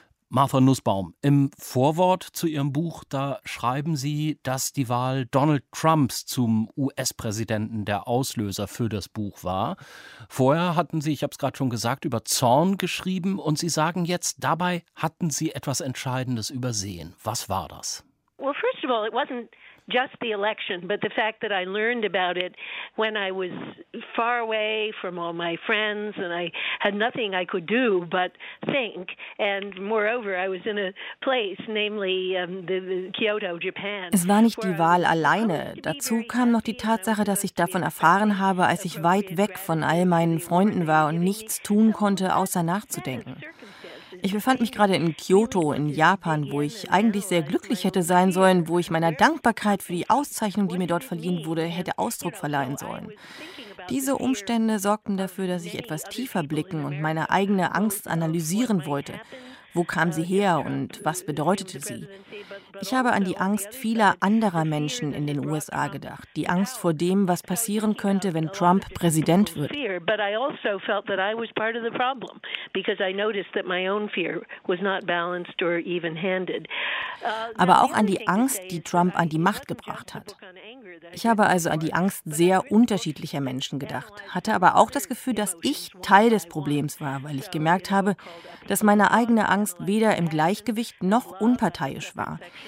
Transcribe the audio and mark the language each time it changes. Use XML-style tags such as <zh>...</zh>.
<de>Martha Nussbaum, im Vorwort zu Ihrem Buch, da schreiben Sie, dass die Wahl Donald Trumps zum US-Präsidenten der Auslöser für das Buch war. Vorher hatten Sie, ich habe es gerade schon gesagt, über Zorn geschrieben und Sie sagen jetzt, dabei hatten Sie etwas Entscheidendes übersehen. Was war das?</de> <en>Well, first of all, it wasn't just the election, but the fact that I learned about it when I was far away from all my friends and I had nothing I could do but think. And moreover, I was in a place, namely the Kyoto, Japan.</en> <de>Es war nicht die Wahl alleine. Dazu kam noch die Tatsache, dass ich davon erfahren habe, als ich weit weg von all meinen Freunden war und nichts tun konnte, außer nachzudenken. Ich befand mich gerade in Kyoto in Japan, wo ich eigentlich sehr glücklich hätte sein sollen, wo ich meiner Dankbarkeit für die Auszeichnung, die mir dort verliehen wurde, hätte Ausdruck verleihen sollen. Diese Umstände sorgten dafür, dass ich etwas tiefer blicken und meine eigene Angst analysieren wollte. Wo kam sie her und was bedeutete sie? Ich habe an die Angst vieler anderer Menschen in den USA gedacht, die Angst vor dem, was passieren könnte, wenn Trump Präsident wird.</de> <en>But I also felt that I was part of the problem because I noticed that my own fear was not balanced or even-handed.</en> <de>Aber auch an die Angst, die Trump an die Macht gebracht hat. Ich habe also an die Angst sehr unterschiedlicher Menschen gedacht, hatte aber auch das Gefühl, dass ich Teil des Problems war, weil ich gemerkt habe, dass meine eigene Angst weder im Gleichgewicht noch unparteiisch war.</de>